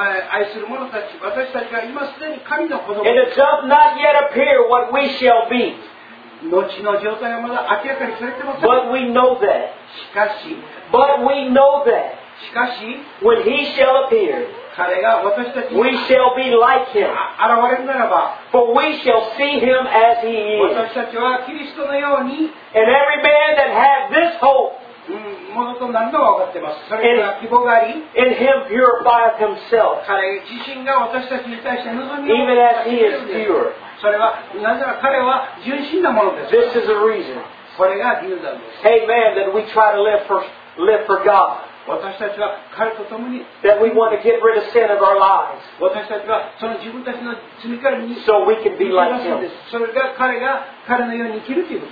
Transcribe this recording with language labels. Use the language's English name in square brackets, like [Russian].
[Japanese] 愛する者たち、私たちは今すでに神の子供。 [English] And it does not yet appear what we shall be. [Japanese] 後の状態はまだ明らかにされてません。 [English] But we know that. [Japanese] しかし。 [English] But we know that. [Japanese] しかし。 [English] When he shall appear. [Japanese] 彼が私たちに [English] we shall be like him. [Japanese] 現れるならば [English] For we shall see him as he is. [Japanese] 私たちはキリストのように [English] And every man that has this hope [Japanese] ものと何度も分かってます。それが希望があり [English] In him purifieth himself. [Japanese] 彼自身が私たちに対して望み [English] を Even as he is pure. [Japanese] それはなぜなら彼は純真なものです。 [English] This is a reason. [Japanese] これが理由なんです。 [English] Amen. That we try to live for God. [Japanese] 私たちは彼と共に [English] That we want to get rid of sin of our lives. [Japanese] 私たちはその自分たちの罪から逃げ [English] So we can be like him. [Japanese] それが彼が彼のように生きるということ。